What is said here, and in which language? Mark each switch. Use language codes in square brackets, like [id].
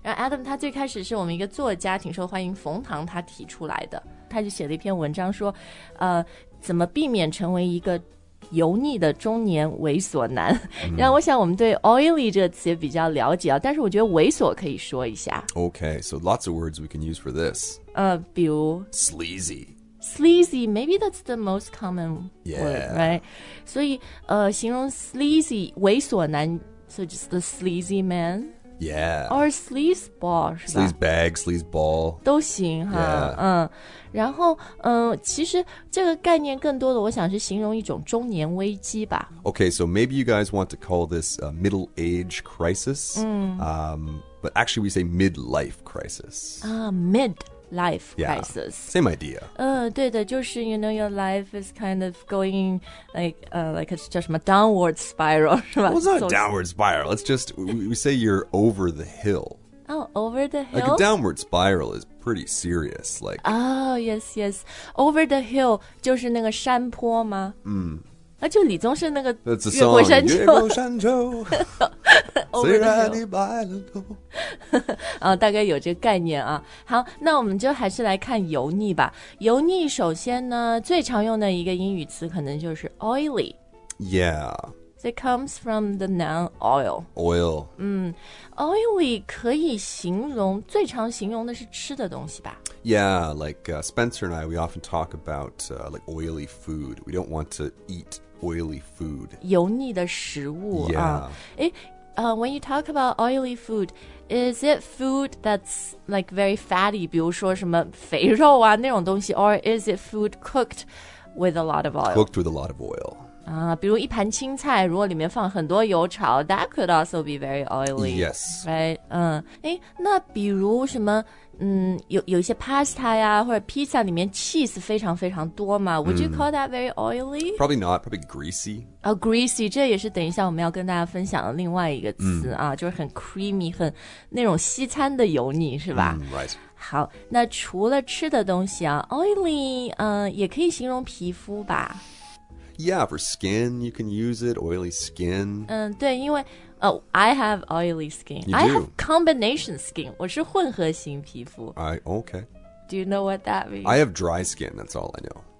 [zh] 然后 Adam 他最开始是我们一个作家，挺受欢迎，冯唐他提出来的。他就写了一篇文章说，怎么避免成为一个油腻的中年猥琐男？然后我想我们对 oily 这个词也比较了解啊，但是我觉得猥琐可以说一下。 [en] Okay, so lots of words we can use for this. [zh] 比如 [en] sleazy. Sleazy, maybe that's the most common word, yeah. right? [zh] 所以形容 [en] sleazy, [zh] 猥琐男 [en] so just the sleazy man? Yeah. Or sleaze ball, [zh] 是吧 [en] Sleaze bag, sleaze ball. [zh] 都行哈、 [en] yeah. [zh] 然后其实这个概念更多的我想是形容一种中年危机吧。 [en] Okay, so maybe you guys want to call this a middle age crisis,、but actually we say midlife crisis. Midlife crisis. Yeah, same idea. [zh] 对的，就是 [en] you know your life is kind of going like it's just a downward spiral, [zh] 是吧？ [en] Well, it's not a downward spiral. It's just we say you're over the hill. Oh, over the hill. Like a downward spiral is pretty serious. Like oh, yes, yes. Over the hill [zh] 就是那个山坡吗？嗯，啊，就李宗盛那个《 月过山丘》。月过山丘，虽然你白了头。啊，大概有这个概念啊。好，那我们就还是来看油腻吧。油腻，首先呢，最常用的一个英语词可能就是 oily。 [en] Yeah. It comes from the noun oil. Oil. [zh] 嗯 ，oily 可以形容最常形容的是吃的东西吧。 [en] Yeah, like、Spencer and I, we often talk about、like oily food. We don't want to eat oily food. [zh] 油腻的食物 [en] Yeah. When you talk about oily food, is it food that's like very fatty? [zh] 比如说什么肥肉啊那种东西 [en] or is it food cooked with a lot of oil? Cooked with a lot of oil. [zh] 比如一盘青菜如果里面放很多油炒 [en] that could also be very oily. Yes. Right? [zh] 那比如什么有一些 pasta 呀或者 pizza 里面 cheese 非常非常多嘛 [en] Would you call that very oily? Probably not. Probably greasy. Oh, greasy. [zh] 这也是等一下我们要跟大家分享的另外一个词啊就是很 creamy, 很那种西餐的油腻是吧、 [en] right. [zh] 好，那除了吃的东西啊 ,oily, 也可以形容皮肤吧。 [en] Yeah, for skin, you can use it, oily skin. [zh] 对，因为 [en] I have oily skin. You do? I have combination skin. [zh] 我是混合型皮肤。 [en] Okay. Do you know what that means? I have dry skin, that's all I know.